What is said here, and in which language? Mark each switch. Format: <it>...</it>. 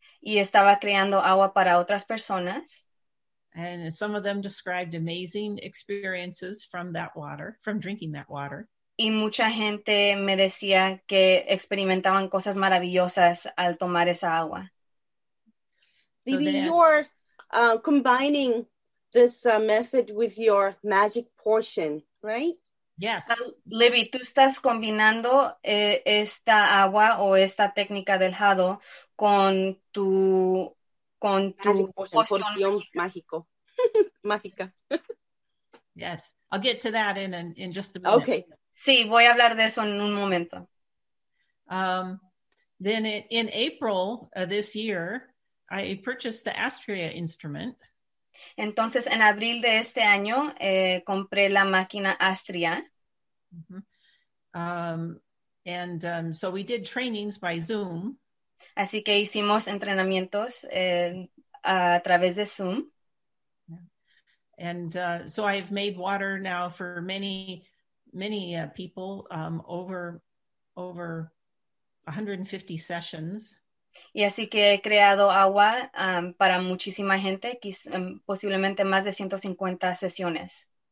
<es>Y estaba creando agua para otras personas.</es> <en>And some of them described amazing experiences from that water, from drinking that water.</en> <es>Y mucha gente me decía que experimentaban cosas maravillosas al tomar esa agua.</es> <en>Maybe you're combining this method with your magic portion, right? Yes.</en> <es>Libby, tú estás combinando esta agua o esta técnica del jado con tu magic poción mágico. Mágica.</es> <en>Yes. I'll get to that in just a minute. Okay.</en> <es>Sí, voy a hablar de eso en un momento.</es> <en>Then in April of this year, I purchased the Astrea instrument.</en> <es>Entonces, en abril de este año, compré la máquina Astrea. Mm-hmm.</es> <en>So we did trainings by Zoom.</en> <es>Así que hicimos entrenamientos a través de Zoom.</es> <en>So I've made water now for many, many people over 150 sessions.</en> <es>Y así que he creado agua para muchísima gente, posiblemente más de 150 sesiones.</es>